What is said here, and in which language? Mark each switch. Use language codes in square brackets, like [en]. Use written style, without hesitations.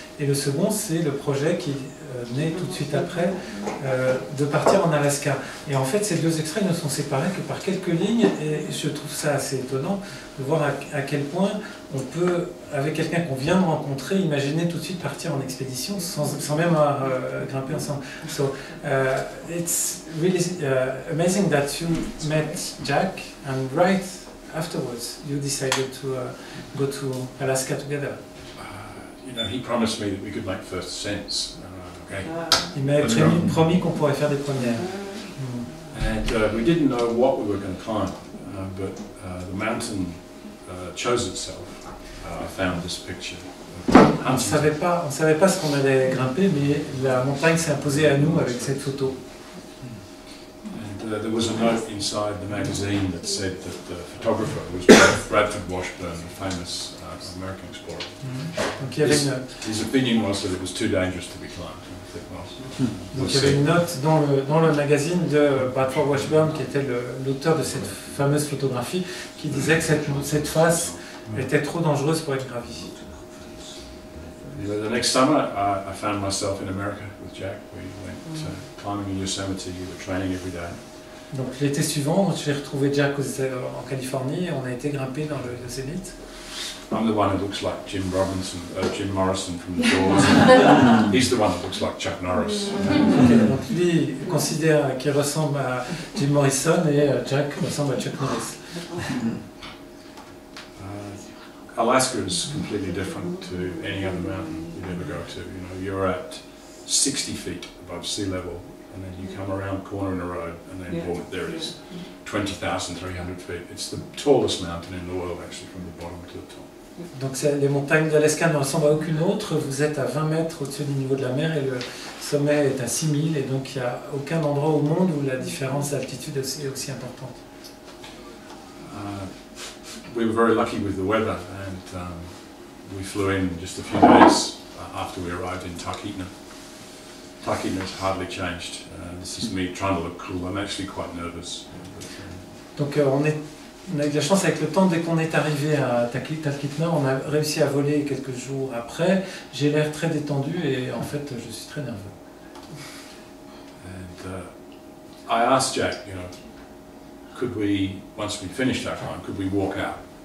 [fr] Et le second, c'est le projet qui naît tout de suite après, de partir en Alaska. Et en fait, ces deux extraits ne sont séparés que par quelques lignes, et je trouve ça assez étonnant de voir à quel point on peut, avec quelqu'un qu'on vient de rencontrer, imaginer tout de suite partir en expédition sans même avoir grimpé ensemble. [en] So, it's really amazing that you met Jack, and right afterwards, you decided to go to Alaska together. You know, he promised me that we could make first ascents. Okay. [fr] Il m'a promis qu'on pourrait faire des premières. [en] And we didn't know what we were going to climb, but the mountain chose itself. I found this picture. [fr] On savait pas ce qu'on allait grimper, mais la montagne s'est imposée à nous avec cette photo. [en] And there was a note inside the magazine that said that the photographer was Bradford Washburn, a famous American explorer. [fr] Donc, il y avait [en] his, [fr] une... [en] his opinion was that it was too dangerous to be climbed. [fr] Donc, il y avait une note dans le magazine de Bradford Washburn, qui était l'auteur de cette fameuse photographie, qui disait que cette face était trop dangereuse pour être gravie. [en] The next summer, I found myself in America with Jack. We went climbing in Yosemite. We were training every day. [fr] Donc l'été suivant, je vais retrouver Jack en Californie. On a été grimper dans le Yosemite. [en] I'm the one who looks like Jim Robinson, Jim Morrison from The Doors. He's the one who looks like Chuck Norris. [fr] Donc lui considère qu'il ressemble à Jim Morrison et Jack ressemble à Chuck Norris. [en] Alaska is completely different to any other mountain you'd ever go to. You know, you're at 60 feet above sea level, and then you come around a corner in a road, and then boom, there it is, 20,300 feet. It's the tallest mountain in the world, actually, from the bottom to the top. [fr] Donc les montagnes d'Alaska ne ressemblent à aucune autre. Vous êtes à 20 mètres au-dessus du niveau de la mer et le sommet est à 6000. Et donc il n'y a aucun endroit au monde où la différence d'altitude est aussi importante. [en] We were very lucky with the weather, and we flew in just a few days after we arrived in Tarkeetna. Tarkeetna has hardly changed. This is me trying to look cool. I'm actually quite nervous. [fr] Donc on a eu de la chance avec le temps. Dès qu'on est arrivé à Tarkeetna, on a réussi à voler quelques jours après. J'ai l'air très détendu et en fait, je suis très nerveux. [en] And I asked Jack, you know, could we, once we finished our climb, could we walk out?